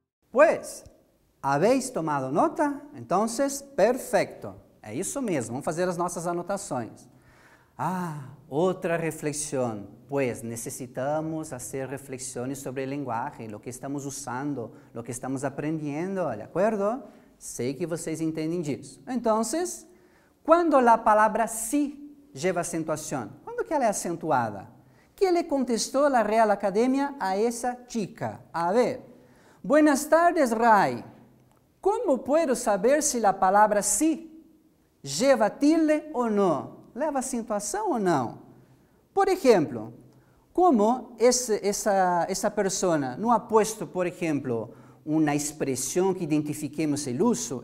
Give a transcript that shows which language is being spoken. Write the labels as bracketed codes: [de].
[es] Pues, ¿habéis tomado nota? Entonces, perfecto. [pt] É isso mesmo, vamos fazer as nossas anotações. Ah, outra reflexão. [es] Pues, [pt] necessitamos fazer reflexões sobre o [es] lenguaje, lo que estamos usando, lo que estamos aprendiendo, ¿de acuerdo? [pt] Sei que vocês entendem disso. Entonces, quando a palavra sí lleva acentuação? Quando que ela é acentuada? [es] ¿Qué le contestó la Real Academia a esa chica? A ver. Buenas tardes, Rai. ¿Cómo puedo saber si la palabra sí lleva tilde o no? ¿Leva acentuación o no? Por ejemplo, ¿cómo esa persona no ha puesto, por ejemplo, una expresión que identifiquemos el uso?